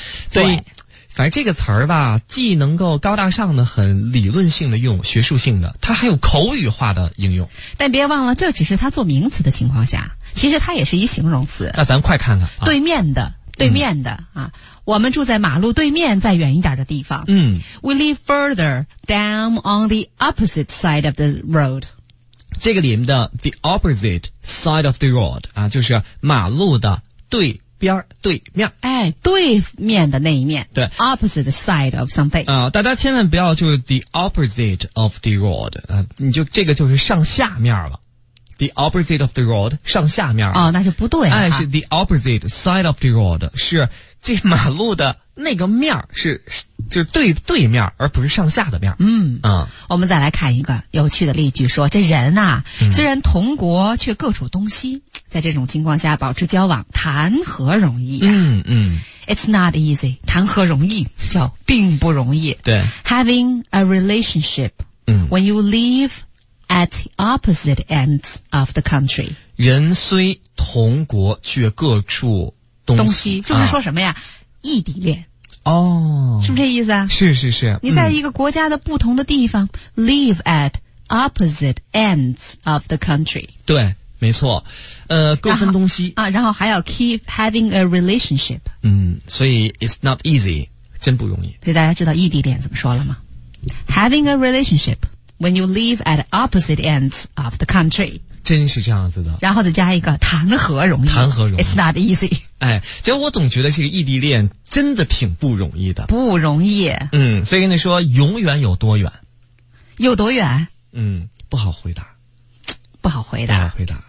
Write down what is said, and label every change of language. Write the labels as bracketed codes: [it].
[zh] 所以，反正这个词儿吧，既能够高大上的很理论性的用，学术性的，它还有口语化的应用。但别忘了，这只是它做名词的情况下，其实它也是一形容词。那咱快看看，啊，对面的，对面的，嗯，啊，我们住在马路对面，再远一点的地方。嗯 [en] ，We live further down on the opposite side of the road. [zh] 这个里面的 [en] the opposite side of the road [zh] 啊，就是马路的对边对面，哎，对面的那一面，对 [en] ，opposite side of something [zh] 啊，大家千万不要就是 [en] the opposite of the road [zh] 啊，你就这个就是上下面了。 [en] The opposite of the road, [zh] 上下面。哦，那就不对了。哎，是 [en] the opposite side of the road, [zh] 是这马路的那个面是就是对对面而不是上下的面。嗯嗯。我们再来看一个有趣的例句，说这人啊、虽然同国却各处东西，在这种情况下保持交往谈何容易、 [en] It's not easy, [zh] 谈何容易叫并不容易。对。 [en] Having a relationship,、when you leaveAt opposite ends of the country. [zh] 人虽同国却各处东西。东西就是说什么呀、异地恋。哦。是不是这意思啊是是是。你在一个国家的不同的地方、 [en] live at opposite ends of the country. [zh] 对没错。各分东西。啊然后还要 [en] keep having a relationship. [zh] 所以 [en] it's not easy, [zh] 真不容易。所以大家知道异地恋怎么说了吗 ? [en] Having a relationship. When you live at opposite ends of the country. [zh] 真是这样子的。然后再加一个谈何容易。谈何容易。 [en] It's not easy. [zh] 哎结果我总觉得这个异地恋真的挺不容易的。不容易。所以跟你说永远有多远。有多远不好回答。不好回答。不好回答。